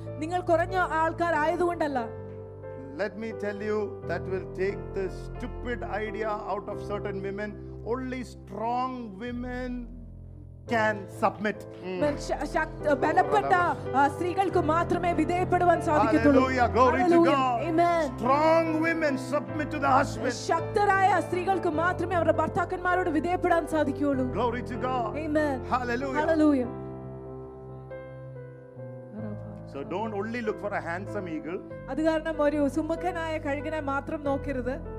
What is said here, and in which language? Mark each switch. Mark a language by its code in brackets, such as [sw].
[ml] നിങ്ങൾ കുറഞ്ഞ ആൾക്കാർ ആയതുകൊണ്ടല്ല. [en] Let me tell you, that will take the stupid idea out of certain women. Only strong women can submit. [ml] ബലപ്പെട്ട സ്ത്രീകൾക്ക് മാത്രമേ വിധേയപ്പെടുവാൻ സാധിക്കുള്ളൂ. [en] Hallelujah, glory to God. Amen. Strong women submit to the husband. [ml] ശക്തരായ സ്ത്രീകൾക്ക് മാത്രമേ അവരുടെ ഭർത്താക്കന്മാരോട് വിധേയപ്പെടാൻ സാധിക്കുള്ളൂ. [en] Glory to God. Amen. Hallelujah. Hallelujah. So don't only look for a handsome eagle. [ml] അതുകാരണം ഒരു സുമുഖനായ കഴുകനെ മാത്രം നോക്കരുത്.